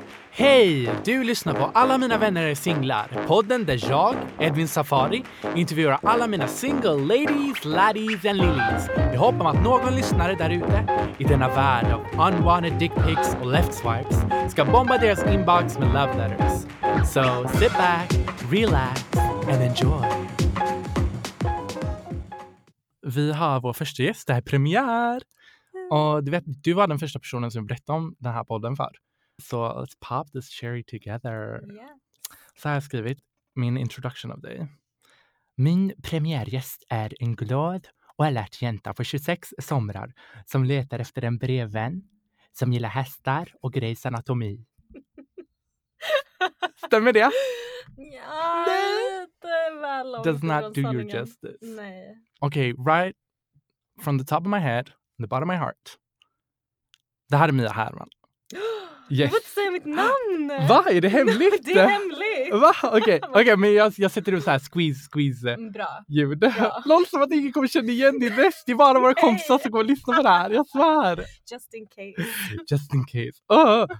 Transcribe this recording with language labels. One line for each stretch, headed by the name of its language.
Swedish: Hej, du lyssnar på Alla mina vänner är singlar, podden där jag, Edwin Safari, intervjuar alla mina
English: single ladies, laddies and lilies.
Swedish: Vi hoppas att någon lyssnare där ute i denna värld av
English: unwanted dick pics
Swedish: och
English: left swipes
Swedish: ska bomba deras inbox med
English: love letters. So sit back, relax and enjoy.
Swedish: Vi har vår första gäst, det här är premiär. Och du vet, du var den första personen som berättade om den här podden för.
English: So let's pop this cherry together. Yeah.
Swedish: Så har jag skrivit min introduction av dig. Min premiärgäst är en glad och alert jänta för 26 somrar som letar efter en brevvän som gillar hästar och grejsanatomi. Stämmer det? Ja, det är väl långt.
English: Does not do your justice.
Swedish: Nej.
English: Okay, right from the top of my head, the bottom of my heart.
Swedish: Det här är Mia Härman.
English: Yes.
Swedish: Jag får inte säga mitt namn. Va? Är det hemligt? Det är hemligt. Va? Okej, okay. Okay, men jag sätter upp så här squeeze. Bra. Ljud. Lol, som att ingen kommer känna igen din röst. Det är bara våra kompisar som kommer lyssna på det här. Jag svär.
English: Just in case.